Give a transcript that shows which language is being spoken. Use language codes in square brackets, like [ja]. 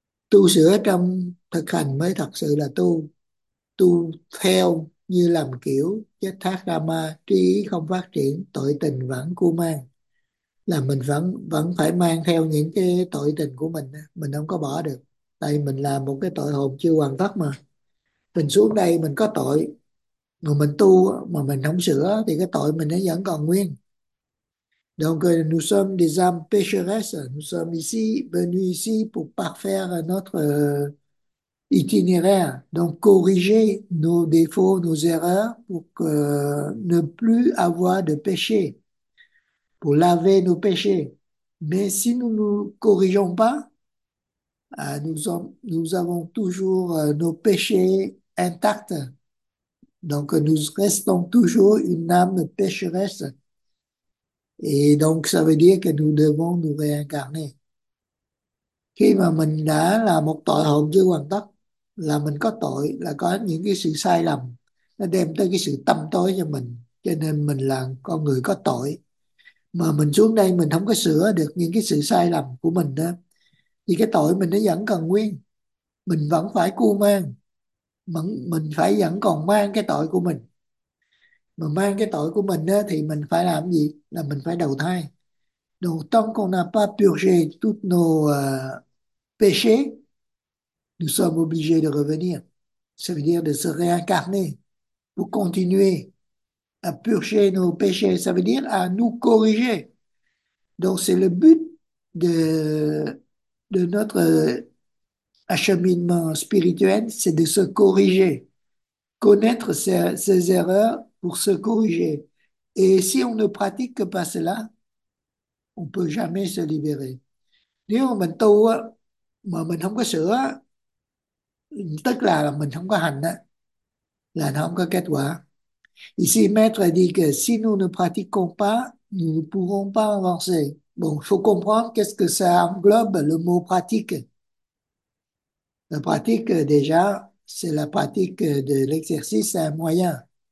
[vi] Tu sửa trong thực hành mới thật sự là tu. Tu theo như làm kiểu chết thác rama, trí ý không phát triển, tội tình vẫn cu mang, là mình vẫn vẫn phải mang theo những cái tội tình của mình không có bỏ được, tại mình làm một cái tội hồn chưa hoàn tất, mà mình xuống đây mình có tội, mà mình tu mà mình không sửa thì cái tội mình nó vẫn còn nguyên. [fr] Donc nous sommes des âmes pécheresses, nous sommes ici venus ici pour parfaire notre itinéraire, donc corriger nos défauts, nos erreurs pour ne plus avoir de péché. pour laver nos péchés. Mais si nous ne nous corrigeons pas, nous avons toujours nos péchés intacts. Donc, nous restons toujours une âme pécheresse. Et donc, ça veut dire que nous devons nous réincarner. [vi] Khi mà mình đã là một tội hồn chưa hoàn tất, là mình có tội, là có những cái sự sai lầm, nó đem tới cái sự tâm tối cho mình, cho nên mình là con người có tội. Mà mình xuống đây mình không có sửa được những cái sự sai lầm của mình đó, thì cái tội mình nó vẫn còn nguyên, mình vẫn phải cưu mang, mình phải vẫn còn mang cái tội của mình. Mà mang cái tội của mình đó, thì mình phải làm gì? Là mình phải đầu thai. [fr] Donc tant qu'on n'a pas purgé tous nos péchés, nous sommes obligés de revenir. Ça veut dire de se réincarner pour continuer à purger nos péchés. Ça veut dire à nous corriger. Donc c'est le but de notre acheminement spirituel, c'est de se corriger, connaître ses erreurs pour se corriger. Et si on ne pratique que pas cela, on peut jamais se libérer. [vi] Nếu mà mình tu á, mà mình không có sửa, tức là mình không có hành á, là nó không có kết quả. [fr] Ici, Maître dit que si nous ne pratiquons pas, nous ne pourrons pas avancer. Bon, faut comprendre qu'est-ce que ça englobe, le mot pratique. La pratique, déjà, c'est la pratique de l'exercice, c'est un moyen.